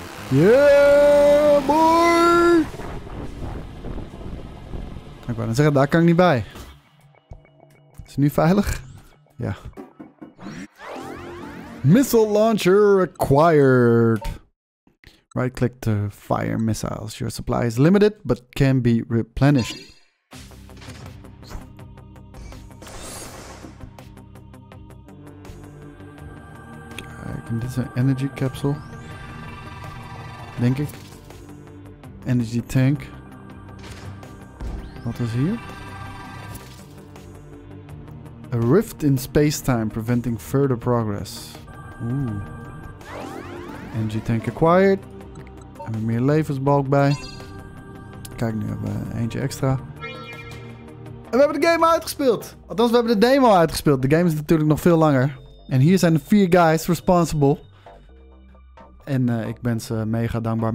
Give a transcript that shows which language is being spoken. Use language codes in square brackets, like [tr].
[en] Yeah, boy! [nl] Kan ik wel zeggen, daar kan ik niet bij. Is het nu veilig? Ja. [en] Missile launcher acquired. Right click to fire missiles. Your supply is limited, but can be replenished. [nl] Kijk, en dit is een energy capsule. Denk ik. Energy tank. Wat is hier? [en] A rift in space-time preventing further progress. Oeh. Energy tank acquired. [nl] En we meer levensbalk bij. Kijk, nu hebben we eentje extra. En we hebben de game uitgespeeld. Althans, we hebben de demo uitgespeeld. De game is natuurlijk nog veel langer. En hier zijn de vier [en] guys responsible. [nl] En ik ben ze mega dankbaar.